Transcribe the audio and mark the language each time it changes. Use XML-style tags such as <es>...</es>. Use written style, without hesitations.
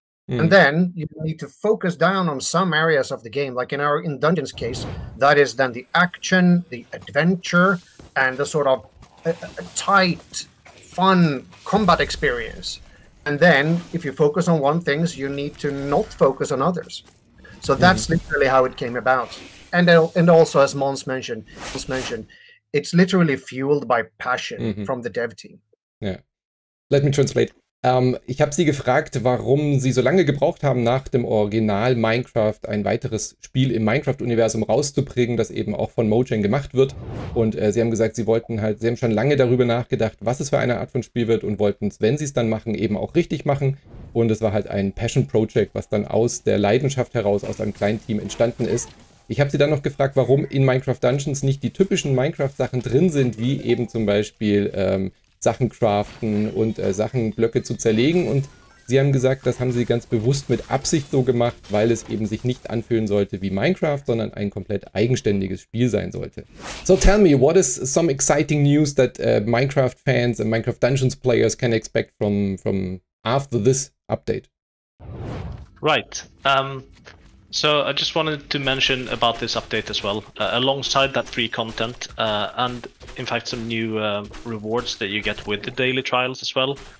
<en>Mm. And then you need to focus down on some areas of the game, like in our In Dungeons case, that is then the action, the adventure, and the sort of a tight, fun combat experience. And then if you focus on one thing, you need to not focus on others. So that's literally how it came about. And also, as Mons mentioned, it's literally fueled by passion from the dev team. Yeah. Let me translate.</en> <de>Ich habe sie gefragt, warum sie so lange gebraucht haben, nach dem Original Minecraft ein weiteres Spiel im Minecraft-Universum rauszubringen, das eben auch von Mojang gemacht wird. Und sie haben gesagt, sie haben schon lange darüber nachgedacht, was es für eine Art von Spiel wird und wollten es, wenn sie es dann machen, eben auch richtig machen. Und es war halt ein Passion-Project, was dann aus der Leidenschaft heraus, aus einem kleinen Team entstanden ist. Ich habe sie dann noch gefragt, warum in Minecraft Dungeons nicht die typischen Minecraft-Sachen drin sind, wie eben zum Beispiel Sachen craften und Sachen, Blöcke zu zerlegen. Und sie haben gesagt, das haben sie ganz bewusst mit Absicht so gemacht, weil es eben sich nicht anfühlen sollte wie Minecraft, sondern ein komplett eigenständiges Spiel sein sollte.</de> <en>So tell me, what is some exciting news that Minecraft fans and Minecraft Dungeons players can expect from after this update? Right. So I just wanted to mention about this update as well, alongside that free content and in fact some new rewards that you get with the daily trials as well.</en>